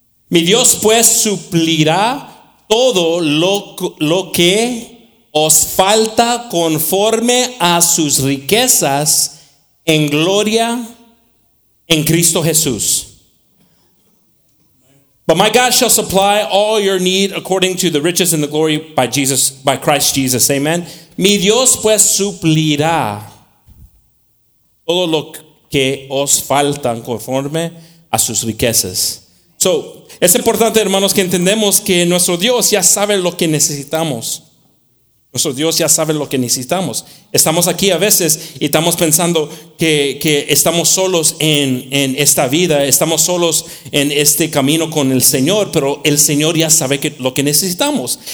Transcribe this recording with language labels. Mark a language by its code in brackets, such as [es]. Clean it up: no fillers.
[es] Mi Dios pues suplirá todo lo que os falta conforme a sus riquezas en gloria en Cristo Jesús. [en] But my God shall supply all your need according to the riches and the glory by Christ Jesus. Amen. [es] Mi Dios pues suplirá todo lo que os falta conforme a sus riquezas. So, es importante, hermanos, que entendemos que nuestro Dios ya sabe lo que necesitamos. Nuestro Dios ya sabe lo que necesitamos. Estamos aquí a veces y estamos pensando que estamos solos en esta vida, estamos solos en este camino con el Señor, pero el Señor ya sabe lo que necesitamos.